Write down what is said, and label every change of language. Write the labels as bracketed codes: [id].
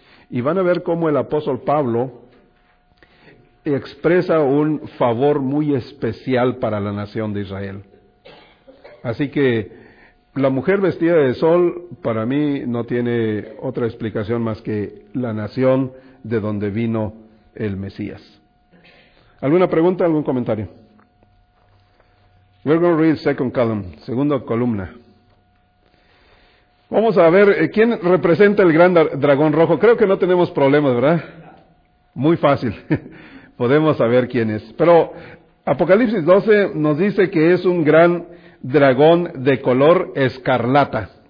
[es] Y van a ver cómo el apóstol Pablo expresa un favor muy especial para la nación de Israel. Así que la mujer vestida de sol, para mí, no tiene otra explicación más que la nación de donde vino el Mesías. ¿Alguna pregunta, algún comentario? [en] We're going to read second column, [es] segunda columna. Vamos a ver, ¿quién representa el gran dragón rojo? Creo que no tenemos problemas, ¿verdad? Muy fácil. Podemos saber quién es. Pero Apocalipsis 12 nos dice que es un gran dragón de color escarlata.